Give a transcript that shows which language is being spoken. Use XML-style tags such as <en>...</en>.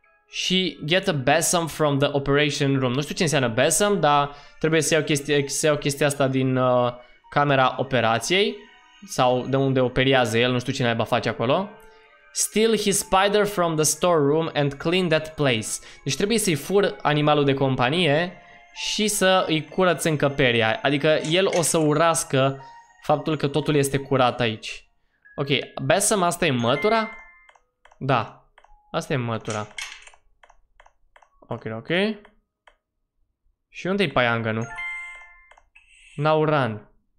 <ro>Și</ro> <en>get a besom from the operation room.</en> <ro>Nu știu ce înseamnă besom, dar trebuie să iau chestia asta din camera operației sau de unde operează el, nu știu ce naiba face acolo.</ro> <en>Steal his spider from the storeroom and clean that place.</en> <ro>Deci trebuie să-i fur animalul de companie și să îi curăț încăperia. Adică el o să urască faptul că totul este curat aici. Ok, besom, asta e mătura? Da, asta e mătura. Ok. Și unde-i paianjenul? Nauran.</ro>